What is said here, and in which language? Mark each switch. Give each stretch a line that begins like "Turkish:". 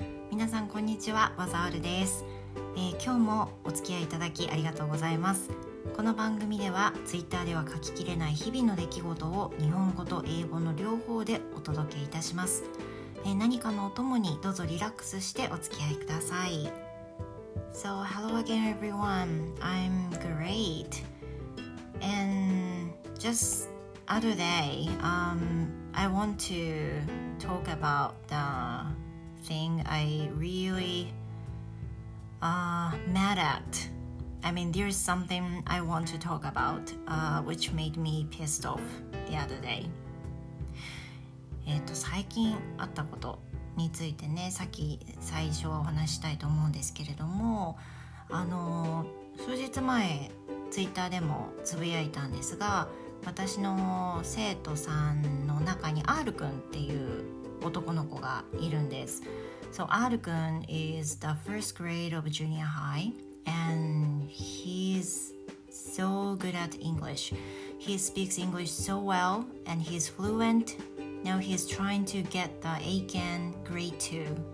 Japanese: 皆さんこんにちは、バザールです、今日もお付き合いいただきありがとうございます。この番組では Twitter では書ききれない日々の出来事を日本語と英語の両方でお届けいたします。何かのお供にどうぞリラックスしてお付き合いください。
English: So hello again everyone, I'm great. And just other day, I want to talk about the thing I really mad at. I mean, there's something I want to talk about, which made me pissed off the other day.
Japanese: 最近あったことについてね、さっき最初はお話したいと思うんですけれども、数日前、ツイッターでもつぶやいたんですが、私の生徒さんの中に R 君っていう男の子がいるんです。
English: So R 君 is the first grade of junior high and he's so good at English. He speaks English so well and he's fluent. Now he's trying to get the AKEN grade 2.